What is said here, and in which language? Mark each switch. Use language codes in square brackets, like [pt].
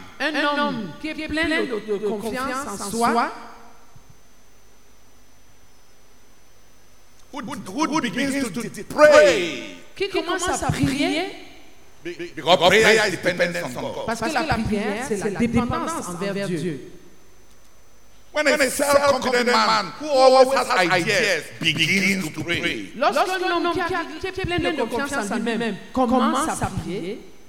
[fr] Un homme qui est plein de confiance en soi. [en] Who begins to pray? [fr] Qui commence à prier? [en] Because prayer is dependence on God. [fr] Parce que la prière, c'est la dépendance envers Dieu. [en] When a self-confident man who always has ideas begins to pray. [fr] Lorsque l'homme qui est plein de confiance en lui-même commence à prier,